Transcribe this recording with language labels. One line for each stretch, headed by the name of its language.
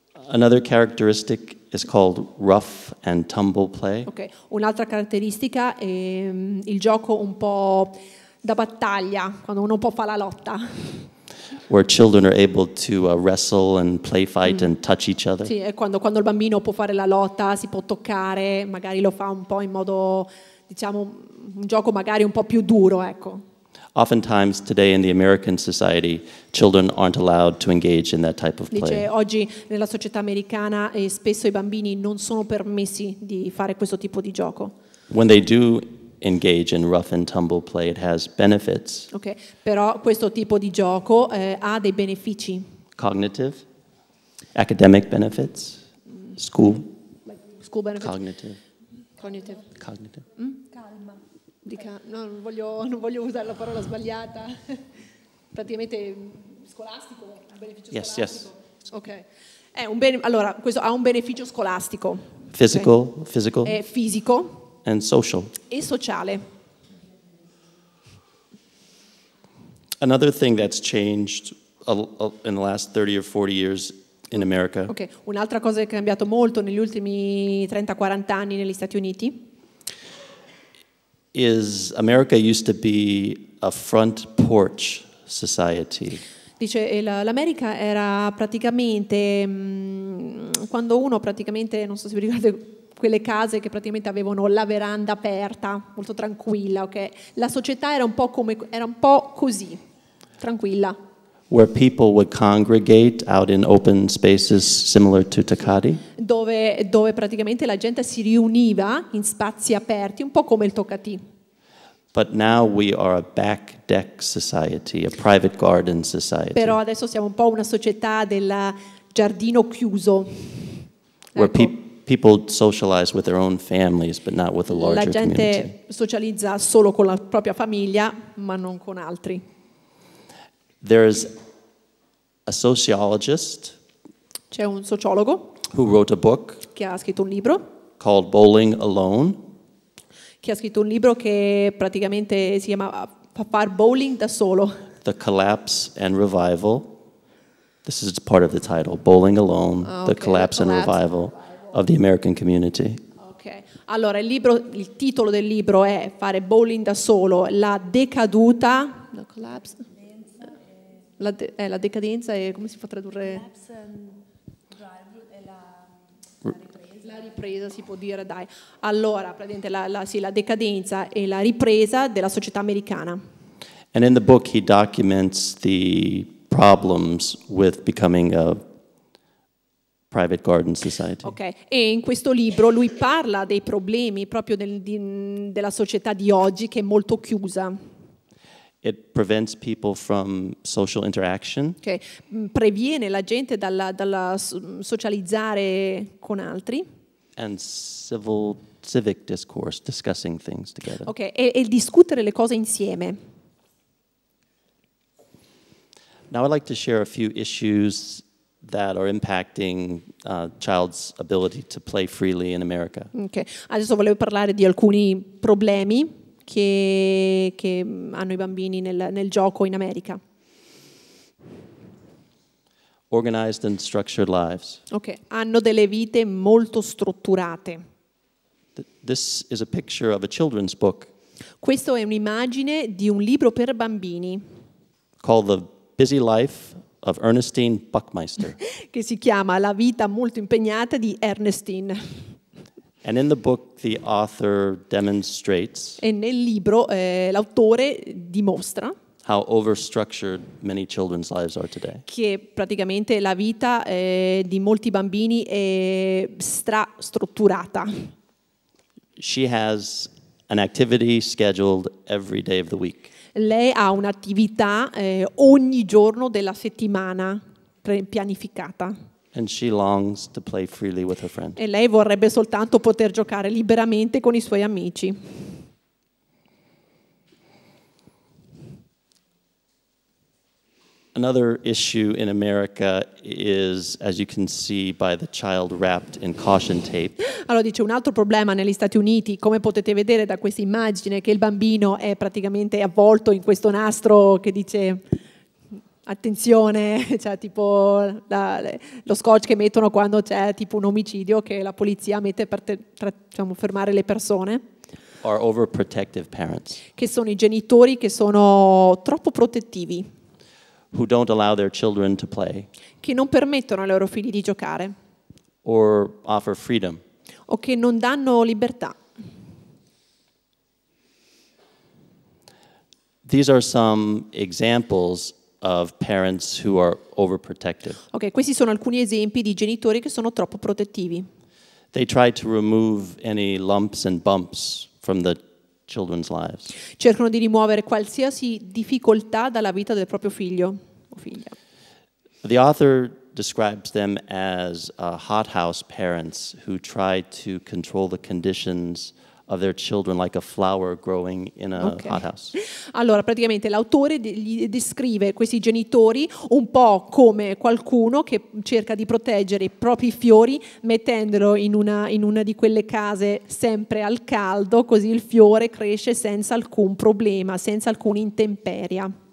English: Another characteristic is called rough and tumble play.
Italian: Ok, un'altra caratteristica è il gioco un po' da battaglia, quando uno un po' fa la lotta.
English: Where children are able to wrestle and play fight and touch each other.
Italian: Sì, è quando il bambino può fare la lotta, si può toccare, magari lo fa un po' in modo, diciamo, un gioco magari un po' più duro, ecco.
English: Oftentimes today in the American society, children aren't allowed to engage in that type of play.
Italian: Dice, oggi nella società americana spesso i bambini non sono permessi di fare questo tipo di gioco.
English: When they do engage in rough and tumble play, it has benefits.
Italian: Okay, però questo tipo di gioco ha dei benefici.
English: Cognitive, academic benefits, school. School benefits. Cognitive.
Italian: Mm? Calma. Non voglio usare la parola sbagliata. Praticamente scolastico, un beneficio
English: yes,
Italian: scolastico.
English: Yes, yes.
Italian: Okay. È un bene. Allora, questo ha un beneficio scolastico.
English: Physical, okay. Physical.
Italian: È fisico.
English: And social.
Italian: E sociale.
English: Another thing that's changed in the last 30 or 40 years in America.
Italian: Okay, un'altra cosa che è cambiato molto negli ultimi 30-40 anni negli Stati Uniti.
English: Is America used to be a front porch society.
Italian: Dice l'America era praticamente quando uno praticamente non so se vi ricordate quelle case che praticamente avevano la veranda aperta, molto tranquilla, ok? La società era un po' così, tranquilla.
English: Where people would congregate out in open spaces similar to Toccati?
Italian: Dove praticamente la gente si riuniva in spazi aperti, un po' come il Toccati.
English: But now we are a back deck society, a private garden society.
Italian: Però adesso siamo un po' una società del giardino chiuso.
English: Where people socialize with their own families, but not with a larger community.
Italian: La gente socializza solo con la propria famiglia, ma non con altri.
English: There is a sociologist.
Italian: C'è un sociologo.
English: Who wrote a book?
Italian: Che ha scritto un libro.
English: Called Bowling Alone.
Italian: Che ha scritto un libro che praticamente si chiama Far Bowling da solo.
English: The Collapse and Revival. This is part of the title, Bowling Alone, okay, the collapse and Revival of the American Community.
Italian: Okay. Allora, il titolo del libro è Fare Bowling da solo, la decaduta,
English: the collapse.
Italian: La decadenza e come si fa tradurre? La ripresa si può dire, dai. Allora, praticamente la decadenza e la ripresa della società americana.
English: And in the book he documents the problems with becoming a private garden society. Okay.
Italian: E in questo libro lui parla dei problemi proprio della società di oggi che è molto chiusa.
English: It prevents people from social interaction.
Italian: Okay. Previene la gente dalla socializzare con altri.
English: And civic discourse, discussing things together.
Italian: Okay. E discutere le cose insieme.
English: Now I'd like to share a few issues that are impacting child's ability to play freely in America. Okay.
Italian: Adesso volevo parlare di alcuni problemi che hanno i bambini nel gioco in America.
English: Organized and structured lives.
Italian: Okay. Hanno delle vite molto strutturate.
English: This is a picture of a children's book.
Italian: Questo è un'immagine di un libro per bambini.
English: Called the Busy Life of Ernestine Buckmeister.
Italian: Che si chiama La vita molto impegnata di Ernestine.
English: And in the book the author demonstrates.
Italian: E nel libro l'autore dimostra.
English: How overstructured many children's lives are today.
Italian: Che praticamente la vita di molti bambini è strutturata.
English: She has an activity scheduled every day of the week.
Italian: Lei ha un'attività ogni giorno della settimana pianificata.
English: And she longs to play freely with her friends.
Italian: E lei vorrebbe soltanto poter giocare liberamente con i suoi amici.
English: Another issue in America is, as you can see, by the child wrapped in caution tape.
Italian: Allora dice un altro problema negli Stati Uniti, come potete vedere da questa immagine, che il bambino è praticamente avvolto in questo nastro che dice attenzione, cioè tipo lo scotch che mettono quando c'è tipo un omicidio che la polizia mette per fermare le persone.
English: Are overprotective parents.
Italian: Che sono i genitori che sono troppo protettivi.
English: Who don't allow their children to play.
Italian: Che non permettono ai loro figli di giocare.
English: Or offer freedom.
Italian: O che non danno libertà.
English: These are some examples of parents who are overprotective.
Italian: Okay, questi sono alcuni esempi di genitori che sono troppo protettivi.
English: They try to remove any lumps and bumps from the children's lives.
Italian: Cercano di rimuovere qualsiasi difficoltà dalla vita del proprio figlio o figlia.
English: The author describes them as hothouse parents who try to control the conditions of their children like a flower growing in a okay. hothouse.
Italian: Allora, praticamente l'autore gli descrive questi genitori un po' come qualcuno che cerca di proteggere i propri fiori mettendolo in una di quelle case sempre al caldo, così il fiore cresce senza alcun problema, senza alcuna intemperia.